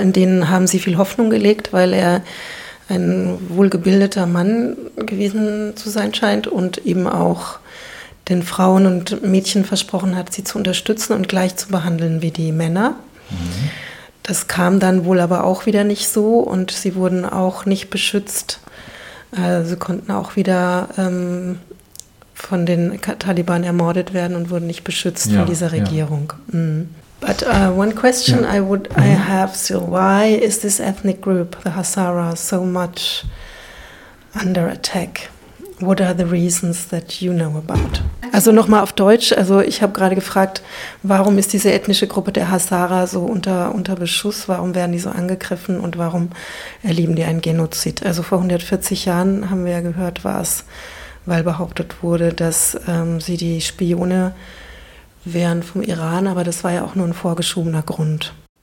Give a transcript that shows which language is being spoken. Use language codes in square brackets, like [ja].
[de] Und denen haben sie viel Hoffnung gelegt, weil er ein wohlgebildeter Mann gewesen zu sein scheint und eben auch den Frauen und Mädchen versprochen hat, sie zu unterstützen und gleich zu behandeln wie die Männer. Das kam dann wohl aber auch wieder nicht so, und sie wurden auch nicht beschützt. Sie konnten auch wieder von den Taliban ermordet werden und wurden nicht beschützt von dieser Regierung. Ja. Mm. [en] But one question I have still: why is this ethnic group, the Hazara, so much under attack? What are the reasons that you know about? [de] Also nochmal auf Deutsch. Also ich habe gerade gefragt, warum ist diese ethnische Gruppe der Hazara so unter Beschuss? Warum werden die so angegriffen und warum erleben die einen Genozid? Also vor 140 Jahren haben wir ja gehört, weil behauptet wurde, dass sie die Spione wären vom Iran, aber das war ja auch nur ein vorgeschobener Grund.